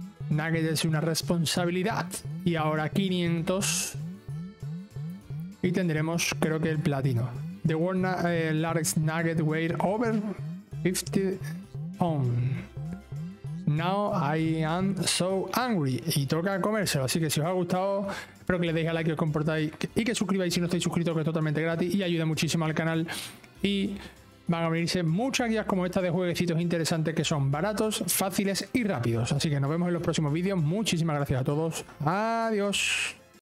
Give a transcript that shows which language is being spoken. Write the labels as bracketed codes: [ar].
[es] Nugget es una responsabilidad. Y ahora 500. Y tendremos, creo que, el platino. [en] The world largest nugget weighed over 50 pounds. Now I am so angry. [es] Y toca comérselo. Así que si os ha gustado, espero que le deis a like, que os comportáis y que suscribáis si no estáis suscritos, que es totalmente gratis y ayuda muchísimo al canal. Y van a venirse muchas guías como esta de jueguecitos interesantes que son baratos, fáciles y rápidos. Así que nos vemos en los próximos vídeos. Muchísimas gracias a todos. Adiós.